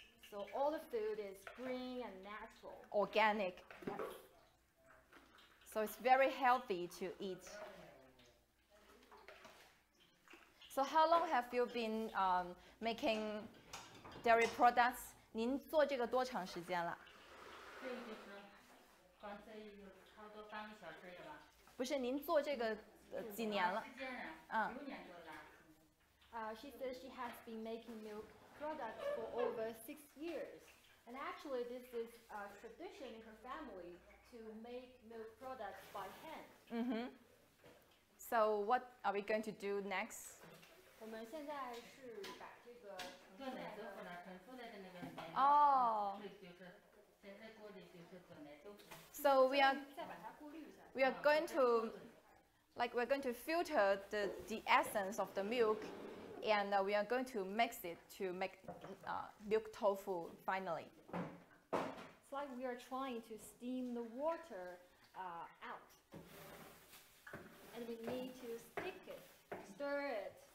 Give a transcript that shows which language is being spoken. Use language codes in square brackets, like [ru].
[en] So all the food is green and natural. Organic. Yep. So it's very healthy to eat. So how long have you been making dairy products? [zh] 您做这个多长时间了？这个就是刚才差不多半个小时了吧。不是，您做这个几年了？时间了，嗯，6年多了。 [en] She says she has been making milk products for over 6 years. And actually, this is a tradition in her family to make milk products by hand. Mm-hmm. So what are we going to do next? [zh] 我们现在是把这个做奶豆腐呢，盛出来的那个奶，哦，就是现在锅里就是做奶豆腐。 [en] So we are [zh] 再把它过滤一下。 [en] We are going to, like we're going to filter the essence of the milk, and we are going to mix it to make milk tofu finally. It's like we are trying to steam the water out, and we need to stick it, stir it.